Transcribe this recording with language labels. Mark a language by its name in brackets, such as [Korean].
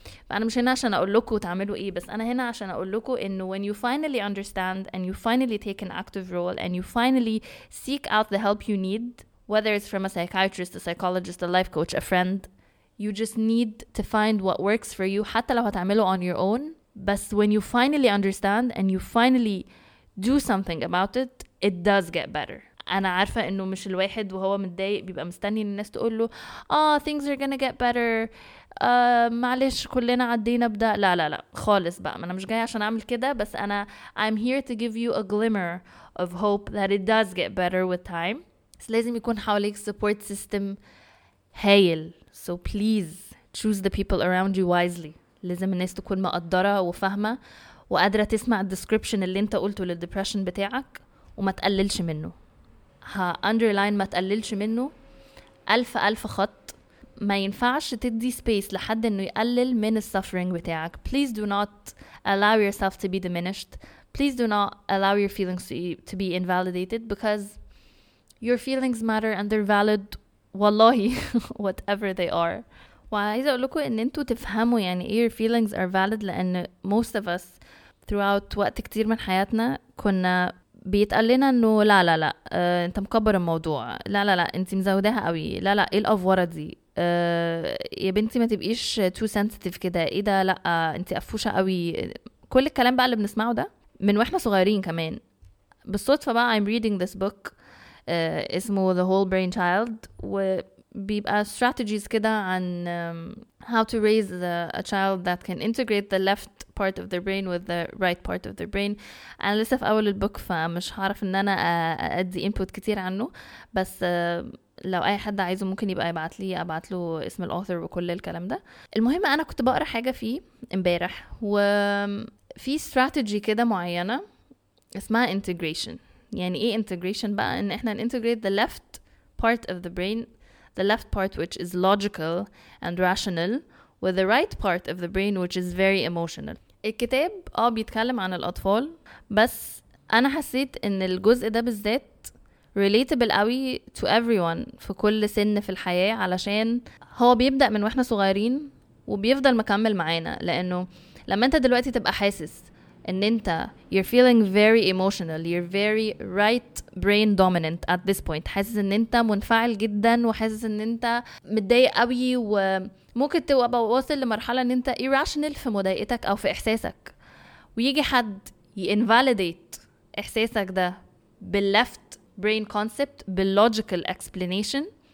[Arabic] فأنا مش هنا عشان أقول لكم تعملوا إيه, بس أنا هنا عشان أقول لكم إنه [English] when you finally understand and you finally take an active role and you finally seek out the help you need, whether it's from a psychiatrist, a psychologist, a life coach, a friend, you just need to find what works for you [Arabic] حتى لو هتعملوا [English] on your own. [Arabic] بس [English] when you finally understand and you finally do something about it, it does get better. [Arabic] أنا عارفة إنه مش الواحد وهو متضايق بيبقى مستني الناس تقول له [English] things are gonna get better, [Arabic] معلش كلنا عدينا بدا, لا لا لا خالص بقى, أنا مش جاي عشان أعمل كده. بس أنا [English] I'm here to give you a glimmer of hope that it does get better with time. [Arabic] بس لازم يكون حواليك [English] support system هايل, so please choose the people around you wisely. [Arabic] لازم الناس تكون مقدرة وفاهمة وقادرة تسمع الديسكريبشن اللي انت قلته للديبريشن بتاعك وما تقللش منه. ها underline ما تقللش منه ألف ألف خط. ما ينفعش تدي space لحد انه يقلل من السفرينج بتاعك. [English] Please do not allow yourself to be diminished. Please do not allow your feelings to be invalidated, because your feelings matter and they're valid [Arabic] والله [English] whatever they are. [Arabic] وعايزة أقولكم إن أنتوا تفهموا يعني إيه [English] your feelings are valid, [Arabic] لأن [English] most of us throughout [Arabic] وقت كتير من حياتنا كنا بيتقلنا إنه لا لا لا أنت مكبر الموضوع, لا لا لا أنت مزودها قوي, لا لا إيه الأفورة دي, يا بنتي ما تبقيش [English] too sensitive [Arabic] كده, إيه ده لا أنت قفوشة قوي. كل الكلام بقى اللي بنسمعه ده من وإحنا صغيرين كمان. [English] بالصدفة بقى I'm reading this book [Arabic] اسمه [English] The Whole Brain Child, [Arabic] و بيبقى [English] strategies [Arabic] كده عن [English] how to raise a child that can integrate the left part of their brain with the right part of their brain. [Arabic] أنا لسه في أول البوك فمش هعرف إن أنا أدي input كتير عنه, بس لو أي حد عايزه ممكن يبقى يبعت لي أبعت له اسم الأوثر وكل الكلام ده. المهم أنا كنت بقرأ حاجة فيه امبارح وفي strategy كده معينة اسمها integration. يعني إيه [English] integration [Arabic] بقى؟ إن إحنا [English] integrate the left part of the brain, the left part which is logical and rational, with the right part of the brain which is very emotional. [Arabic] الكتاب بيتكلم عن الأطفال, بس أنا حسيت إن الجزء ده بالذات [English] relatable [Arabic] قوي [English] to everyone [Arabic] في كل سن في الحياة, علشان هو بيبدأ من وإحنا صغيرين وبيفضل مكمل معانا. لأنه لما أنت دلوقتي تبقى حاسس إن أنت [English] you're feeling very emotional, you're very right brain dominant at this point, [Arabic] حاسس إن أنت منفعل جدا وحاسس إن أنت متضايق قوي وممكن تبقى واصل لمرحلة إن أنت [English] irrational [Arabic] في مضايقتك أو في إحساسك, ويجي حد [English] invalidate [Arabic] إحساسك ده بال [English] left brain concept [Arabic] باللوجيكال explanation,